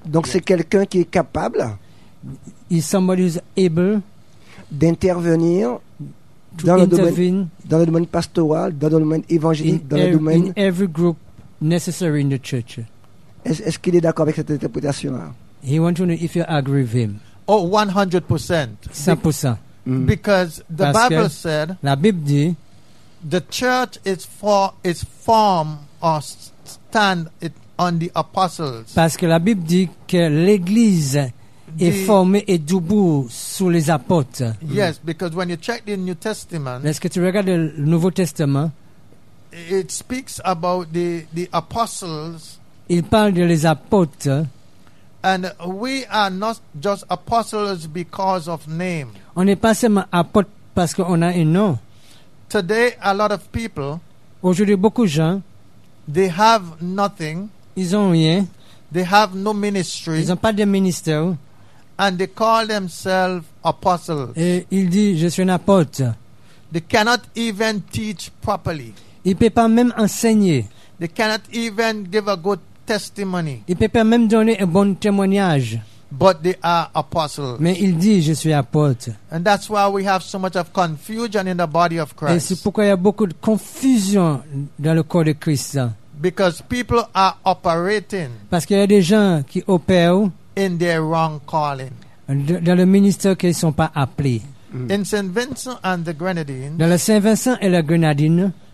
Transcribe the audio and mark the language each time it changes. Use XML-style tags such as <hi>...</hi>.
<fr>Donc yeah. C'est quelqu'un qui est capable.</fr> <en>Is somebody who's able</en> <fr>d'intervenir dans le domaine pastoral, dans le domaine évangélique, dans le domaine.</fr> <en>In every group necessary in the church.</en> <fr>Est-ce qu'il est d'accord avec cette interprétation-là?</fr> <en>He wants to know if you agree with him. Oh, 100%. 100%. Because the</en> <fr>Parce</fr> <en>Bible said,</en> <fr>la Bible dit,</fr> <en>the church is formed or stand it on the apostles.</en> <fr>Parce que la Bible dit que l'église est formée et debout sous les apôtres.</fr> <en>Yes, because when you check the New Testament,</en> <fr>est-ce que tu regardes le Nouveau Testament,</fr> <en>it speaks about the apostles.</en> <fr>Il parle de les apôtres.</fr> <en>And we are not just apostles because of name.</en> <fr>On n'est pas seulement apôtre parce qu'on a un nom.</fr> <en>Today, a lot of people.</en> <fr>Aujourd'hui, beaucoup de gens.</fr> <en>They have nothing.</en> <fr>Ils ont rien.</fr> <en>They have no ministry.</en> <fr>Ils n'ont pas de ministère.</fr> <en>And they call themselves apostles.</en> <fr>Et ils disent, je suis un apôtre.</fr> <en>They cannot even teach properly.</en> <fr>Ils ne peuvent pas même enseigner.</fr> <en>They cannot even give a good testimony.</en> <fr>Il peut même donner un bon témoignage.</fr> <en>But they are apostles.</en> <fr>Mais il dit, je suis apôtre.</fr> <en>And that's why we have so much of confusion in the body of Christ.</en> <fr>Et c'est pourquoi il y a beaucoup de confusion dans le corps de Christ.</fr> <en>Because people are operating.</en> <fr>Parce qu'il y a des gens qui opèrent</fr> <en>in their wrong calling.</en> <fr>Dans le ministère qu'ils ne sont pas appelés.</fr> <en>In Saint Vincent and the Grenadines.</en> <fr>Dans le Saint Vincent et la Grenadine.</fr>